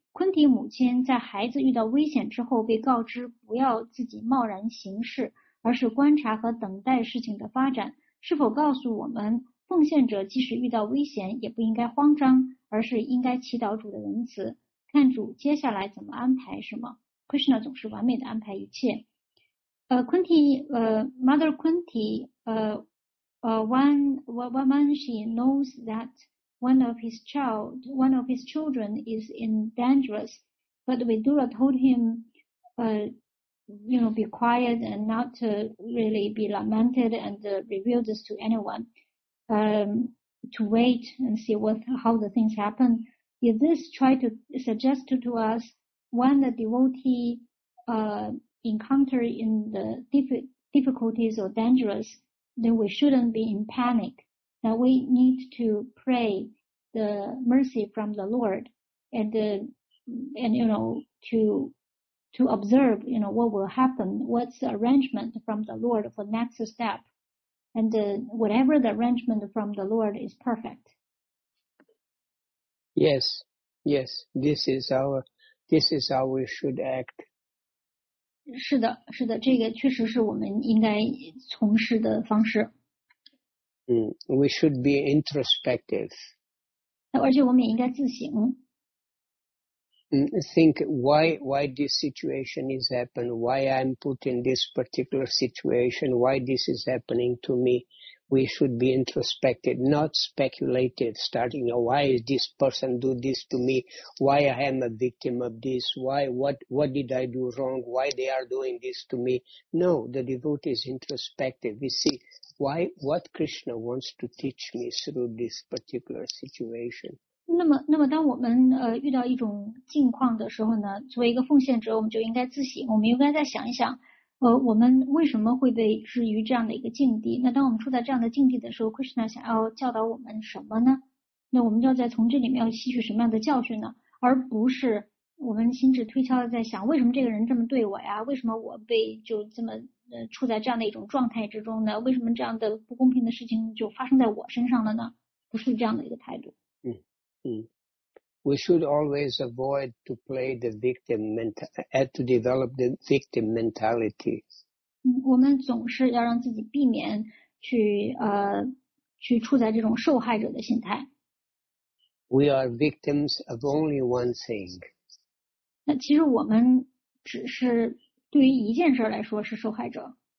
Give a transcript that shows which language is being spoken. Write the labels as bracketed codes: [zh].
[zh] Kunti 母亲在孩子遇到危险之后被告知不要自己贸然行事，而是观察和等待事情的发展，是否告诉我们奉献者即使遇到危险也不应该慌张，而是应该祈祷主的仁慈，看主接下来怎么安排，是吗？ Krishna 总是完美的安排一切。 [en] Mother Kunti, When she knows that one of his children is in dangerous, but Vidura told him, you know, be quiet and not to really be lamented and reveal this to anyone, to wait and see what, how the things happen. If this try to suggest to us, when the devotee encounter in the difficulties or dangerous, then we shouldn't be in panic. Now we need to pray the mercy from the Lord and you know, to observe, you know, what will happen, what's the arrangement from the Lord for next step. And whatever the arrangement from the Lord is perfect. Yes, yes, this is our, this is how we should act. [zh] 是的，这个确实是我们应该从事的方式。 [en] We should be introspective. [zh] 而且我们也应该自省。 [en] Think why this situation is happening, why I'm put in this particular situation, why this is happening to me. We should be introspective, not speculative, starting, oh, why is this person do this to me? Why I am a victim of this? Why, what did I do wrong? Why they are doing this to me? No, the devotee is introspective. We see why, what Krishna wants to teach me through this particular situation. [zh] 那么当我们遇到一种境况的时候呢，作为一个奉献者，我们就应该自省，我们应该再想一想。我们为什么会被置于这样的一个境地？那当我们处在这样的境地的时候 ，Krishna 想要教导我们什么呢？那我们就要在从这里面要吸取什么样的教训呢？而不是我们心智推敲的在想，为什么这个人这么对我呀？为什么我被就这么处在这样的一种状态之中呢？为什么这样的不公平的事情就发生在我身上了呢？不是这样的一个态度。 [en] We should always avoid to play the victim mentality, to develop the victim mentality. [zh] 我们总是要让自己避免去处在这种受害者的心态。 [en] We are victims of only one thing. [zh] 那其实我们只是对于一件事来说是受害者。